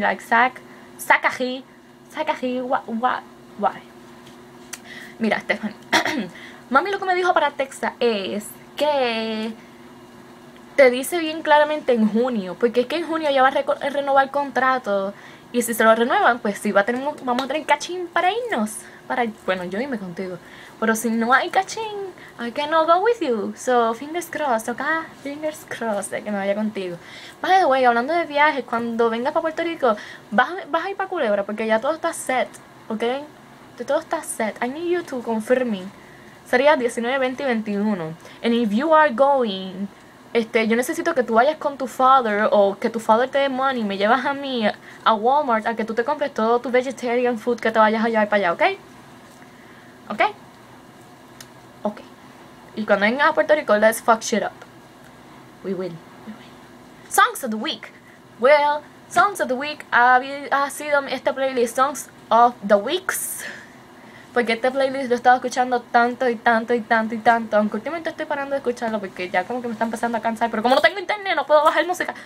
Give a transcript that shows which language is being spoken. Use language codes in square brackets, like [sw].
[es] Like, Zach, Zach aquí, why? Mira, Stephanie. Mami lo que me dijo para Texas es que te dice bien claramente en junio, porque es que en junio ya va a renovar el contrato, y si se lo renuevan, pues sí, vamos a tener cachín para irnos, bueno, yo irme contigo. Pero si no hay cachín, [en] I cannot go with you. So, fingers crossed, ok? Fingers crossed [es] de que me vaya contigo. By the way, hablando de viajes, cuando vengas para Puerto Rico, vas a ir para Culebra, porque ya todo está set, ok? Todo está set. [en] I need you to confirm me. [es] Sería 19, 20 y 21. [en] And if you are going, [es] yo necesito que tú vayas con tu father, o que tu father te dé money, me llevas a mí a Walmart a que tú te compres todo tu [en] vegetarian food [es] que te vayas a llevar para allá, ¿ok? ¿Ok? Ok. Y cuando vengas a Puerto Rico, [en] let's fuck shit up. We will. Songs of the week. Well, songs of the week [es] ha sido esta [en] playlist, songs of the weeks. [es] Porque este playlist lo he estado escuchando tanto. Aunque últimamente estoy parando de escucharlo porque ya como que me está empezando a cansar. Pero como no tengo internet, no puedo bajar música.